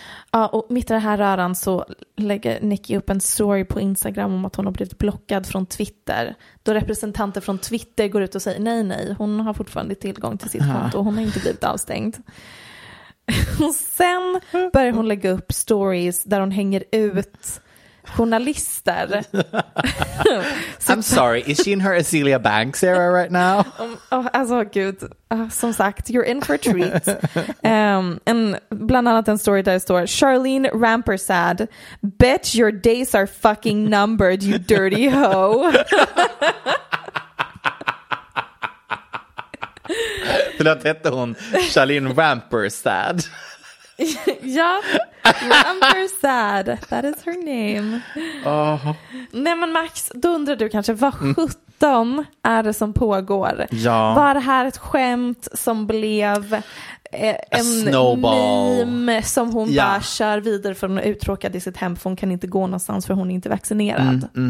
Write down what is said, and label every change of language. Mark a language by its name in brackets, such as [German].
[Swedish] Ja, och mitt i det här röran så lägger Nicki upp en story på Instagram om att hon har blivit blockad från Twitter. Då representanter från Twitter går ut och säger nej, nej, hon har fortfarande tillgång till sitt konto och hon har inte blivit avstängd. Och sen börjar hon lägga upp stories där hon hänger ut journalister. [English] I'm sorry, is she in her Azealia Banks era right now? [Swedish] Alltså gud, som sagt, [English] you're in for a treat. [Swedish] En, bland annat en story där det står: "Charlene Rampersad, [English] bitch, your days are fucking numbered, you dirty hoe." [Swedish] Förlåt, hette hon Charlene Rampersad? Ja, [English] Rampersad, that is her name. Oh. [Swedish] Nej, men Max, då undrar du kanske, vad 17 är det som pågår? Ja. Var det här ett skämt som blev en meme som hon bara kör vidare, för hon är uttråkad i sitt hem, för hon kan inte gå någonstans för hon är inte vaccinerad?